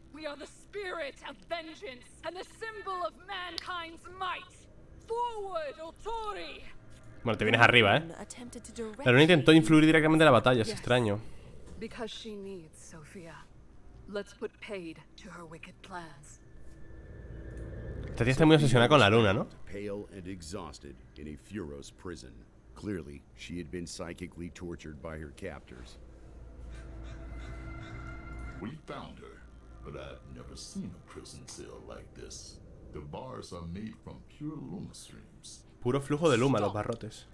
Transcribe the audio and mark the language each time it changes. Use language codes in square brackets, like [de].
[en] We are the spirit of vengeance and the symbol of mankind's might. Forward, Ultori. [es] Bueno, te vienes arriba, ¿eh? La Luna intentó influir directamente en la batalla, es extraño. [en] Because she needs Sophia. Let's put paid to her wicked plans. [es] Esta tía está muy obsesionada con la Luna, ¿no? [en] Pale and exhausted in a Furo's prison. Clearly, she had been psychically tortured by her captors. We found her, but I've never seen a prison cell like this. The bars are made from pure luma streams. [es] Puro flujo de luma, los barrotes.